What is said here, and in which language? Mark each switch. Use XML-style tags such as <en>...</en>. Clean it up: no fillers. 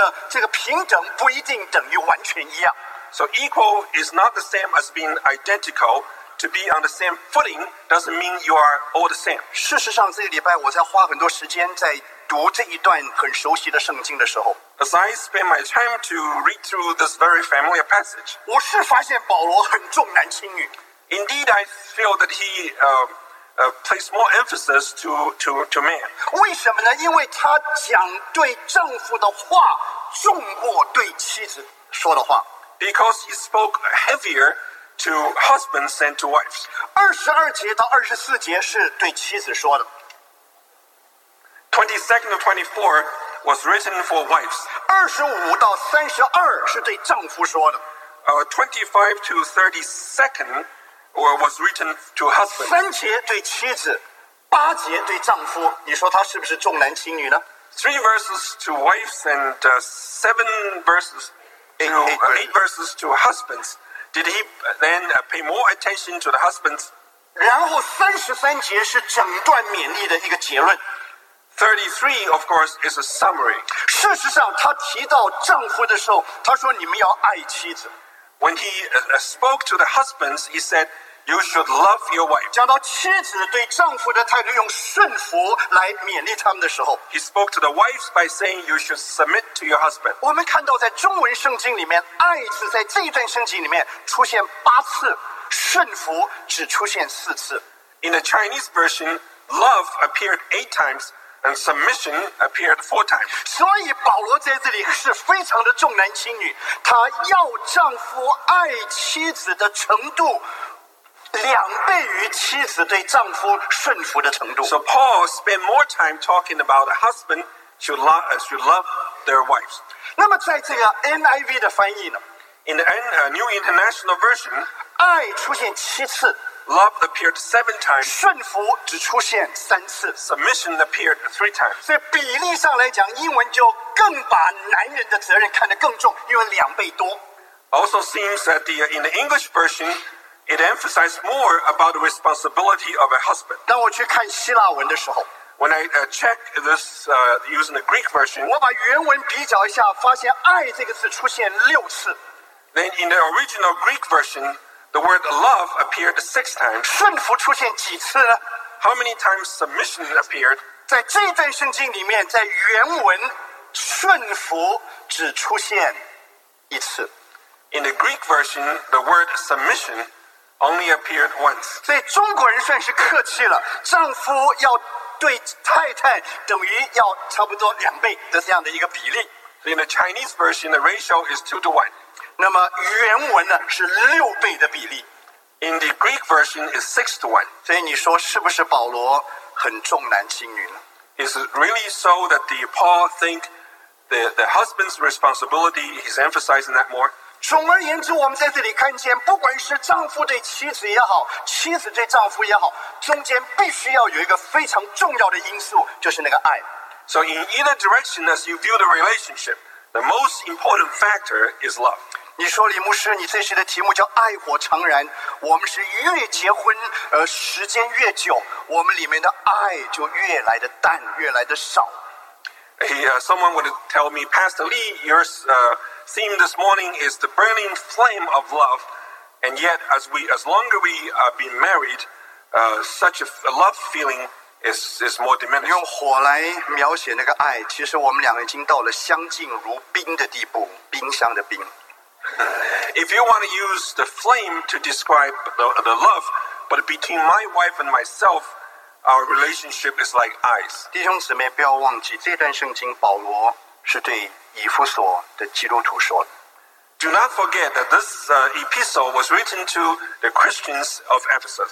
<zh>这个平等不一定等于完全一样。</zh> <en>So equal is not the same as being identical. To be on the same footing doesn't mean you are all the same.</en> <zh>事实上，这个礼拜我在花很多时间在读这一段很熟悉的圣经的时候</zh> <en>，As I spend my time to read through this very familiar passage，</en> <zh>我是发现保罗很重男轻女。</zh> <en>Indeed, I feel that he place more emphasis to man.</en> <zh>为什么呢？因为他讲对丈夫的话重过对妻子说的话。</zh> <en>Because he spoke heavier to husbands than to wives.</en> <zh>二十二节到二十四节是对妻子说的。</zh> <en>22nd to 24 was written for wives.</en> <zh>二十五到三十二是对丈夫说的。</zh> <en>25 to 32nd. Or was written to husband.</en> <zh>三节对妻子，八节对丈夫。你说他是不是重男轻女呢</zh> <en>？Three verses to wives and seven verses to eight verses to husbands. Did he then pay more attention to the husbands?</en> <zh>然后三十三节是整段勉励的一个结论。</zh> <en>33, of course, is a summary.</en> <zh>事实上，他提到丈夫的时候，他说你们要爱妻子。</zh> <en>When he spoke to the husbands, he said, "You should love your wife."</en> <zh>讲到妻子对丈夫的态度，用顺服来勉励他们的时候</zh> <en>，he spoke to the wives by saying, "You should submit to your husband."</en> <zh>我们看到在中文圣经里面，爱字在这一段圣经里面出现八次，顺服只出现四次。</zh> <en>In the Chinese version, love appeared eight times. And submission appeared four times.</en> <zh>所以保罗在这里是非常的重男轻女，他要丈夫爱妻子的程度两倍于妻子对丈夫顺服的程度。</zh> <en>So Paul spent more time talking about a husband should love their wives.</en> <zh>那么在这个 NIV 的翻译呢</zh> <en>？In the New International Version,</en> <zh>爱出现七次。</zh> <en>Love appeared seven times.</en> <zh>顺服只出现三次。</zh> <en>Submission appeared three times.</en> <zh>所以比例上来讲，英文就更把男人的责任看得更重，因为两倍多。</zh> <en>Also seems that in the English version, it emphasized more about the responsibility of a husband.</en> <zh>当我去看希腊文的时候</zh> <en>，When I check this using the Greek version,</en> <zh>我把原文比较一下，发现“爱”这个字出现六次。</zh> <en>Then in the original Greek version. The word love appeared six times.</en> <zh>顺服出现几次呢</zh> <en>？How many times submission appeared?</en> <zh>在这一段圣经里面，在原文，顺服只出现一次。</zh> <en>In the Greek version, the word submission only appeared once.</en> <zh>所以中国人算是客气了，丈夫要对太太等于要差不多两倍的这样的一个比例。</zh> <en>So、in the Chinese version, the ratio is 2:1.</en> <zh>那么原文呢是六倍的比例</zh> <en>，In the Greek version is 6:1。</en> <zh>所以你说是不是保罗很重男轻女呢</zh> <en>？Is it really so that the Paul think the husband's responsibility he's emphasizing that more？</en> <zh>总而言之，我们在这里看见，不管是丈夫对妻子也好，妻子对丈夫也好，中间必须要有一个非常重要的因素，就是那个爱。</zh> <en>So in either direction as you view the relationship。 The most important factor is love.</en> <zh>你说李牧师，你这期的题目叫“爱火长燃”。我们是越结婚，时间越久，我们里面的爱就越来的淡，越来的少。</zh> <en>Someone would tell me, Pastor Lee, your theme this morning is the burning flame of love, and yet as longer we are being married, such a love feeling. Is more diminished.</en> <zh>用火来描写那个爱，其实我们两个已经到了相敬如宾的地步，冰箱的冰。</zh> <en>If you want to use the flame to describe the love, but between my wife and myself, our relationship is like ice.</en> <zh>弟兄姊妹，不要忘记这段圣经，保罗是对以弗所的基督徒说的。</zh> <en>Do not forget that this epistle was written to the Christians of Ephesus.</en>